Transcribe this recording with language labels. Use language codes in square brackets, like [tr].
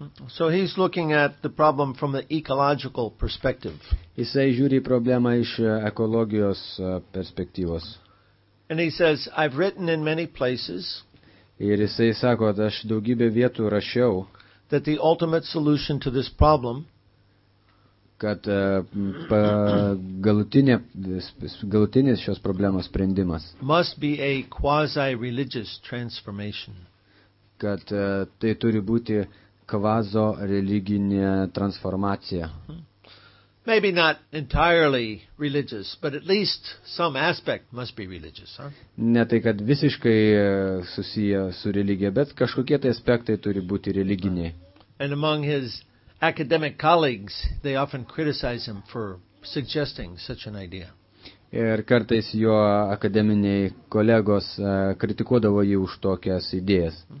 [en] So he's looking at the problem from the ecological perspective. [lt] Jisai žiūri problemą iš ekologijos perspektyvos. [en] And he says, I've written in many places. [lt] Ir jisai sako, aš daugybę vietų rašiau. [en] That the ultimate solution to this problem. [lt] Kad galutinis šios problemos sprendimas. [en] Must be a quasi-religious transformation. [lt] Kad tai turi būti kvazo-religinė transformacija. [en] maybe not entirely religious, but at least some aspect must be religious, huh? [lt] Ne tai kad visiškai susiję su religija, bet kažkokie tai aspektai turi būti religiniai. [en] And among his academic colleagues, they often criticize him for suggesting such an idea. [lt] Ir kartais jo akademiniai kolegos kritikuodavo jį už tokias idėjas.